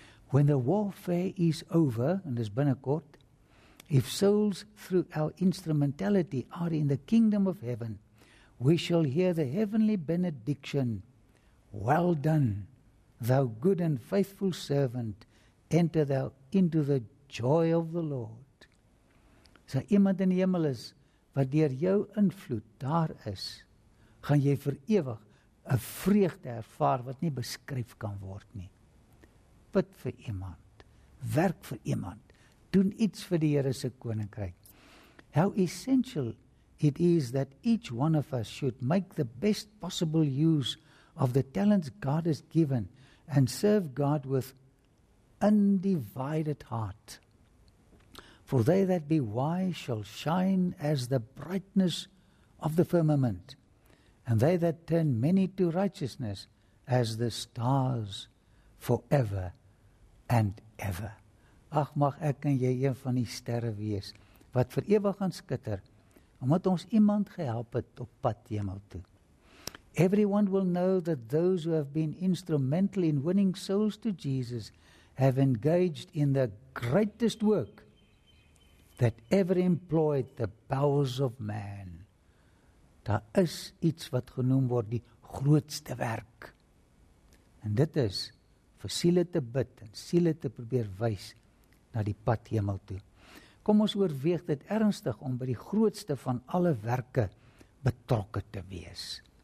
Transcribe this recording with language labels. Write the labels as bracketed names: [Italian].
[English] When the warfare is over, [Afrikaans] en dis binnekort, [English] if souls through our instrumentality are in the kingdom of heaven, we shall hear the heavenly benediction, well done, thou good and faithful servant, enter thou into the joy of the Lord. [Afrikaans] So iemand in die hemel is, wat deur jou invloed daar is, gaan jy vir ewig 'n vreugde ervaar wat nie beskryf kan word nie. Bid vir iemand, werk vir iemand, doen iets vir die Here se koninkryk. [English] How essential it is that each one of us should make the best possible use of the talents God has given and serve God with undivided heart. For they that be wise shall shine as the brightness of the firmament, and they that turn many to righteousness as the stars forever and ever. [Afrikaans] Ach, mag ek en jy een van die sterre wees, wat vir ewig gaan skitter, omdat ons iemand gehelp het op pad hemel toe. [English] Everyone will know that those who have been instrumental in winning souls to Jesus have engaged in the greatest work that ever employed the bowels of man. [Afrikaans] Daar is iets wat genoem word die grootste werk. En dit is vir siele te bid en siele te probeer wys na die pad hemel toe. Kom ons oorweeg dit ernstig om by die grootste van alle werke betrokke te wees.